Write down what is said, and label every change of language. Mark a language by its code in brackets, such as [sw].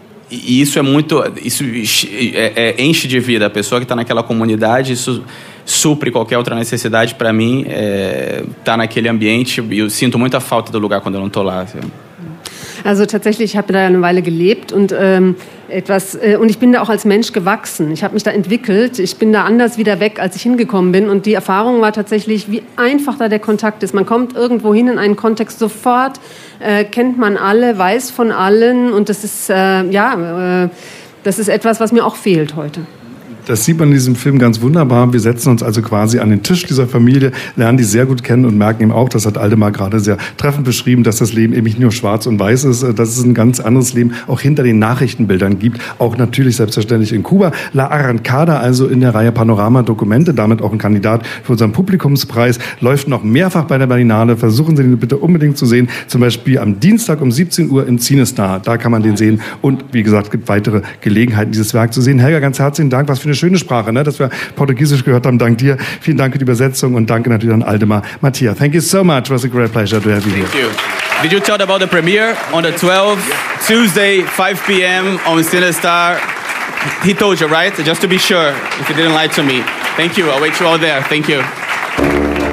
[pt] E isso é muito, isso enche de vida a pessoa que está naquela comunidade, isso supre qualquer outra necessidade para mim, estar naquele ambiente, e eu sinto muita falta do lugar quando eu não estou lá. [de] Also tatsächlich, ich habe da eine Weile gelebt und etwas und ich bin da auch als Mensch gewachsen. Ich habe mich da entwickelt. Ich bin da anders wieder weg, als ich hingekommen bin. Und die Erfahrung war tatsächlich, wie einfach da der Kontakt ist. Man kommt irgendwo hin in einen Kontext sofort, kennt man alle, weiß von allen. Und das ist, das ist etwas, was mir auch fehlt heute. Das sieht man in diesem Film ganz wunderbar. Wir setzen uns also quasi an den Tisch dieser Familie, lernen die sehr gut kennen und merken eben auch, das hat Aldemar gerade sehr treffend beschrieben, dass das Leben eben nicht nur schwarz und weiß ist, dass es ein ganz anderes Leben auch hinter den Nachrichtenbildern gibt, auch natürlich selbstverständlich in Kuba. La Arrancada, also in der Reihe Panorama Dokumente, damit auch ein Kandidat für unseren Publikumspreis, läuft noch mehrfach bei der Berlinale. Versuchen Sie den bitte unbedingt zu sehen, zum Beispiel am Dienstag um 17 Uhr im CineStar. Da kann man den sehen und wie gesagt, gibt weitere Gelegenheiten, dieses Werk zu sehen. Helga, ganz herzlichen Dank. Was für eine schöne Sprache, ne? Dass wir Portugiesisch gehört haben. Dank dir. Vielen Dank für die Übersetzung und danke natürlich an Aldemar Mattia. [en] Thank you so much. It was a great pleasure to have you here. Thank you. Did you tell about the premiere on the 12th, Tuesday, 5 p.m. on CineStar? He told you, right? Just to be sure, if you didn't lie to me. Thank you. I'll wait you all there. Thank you.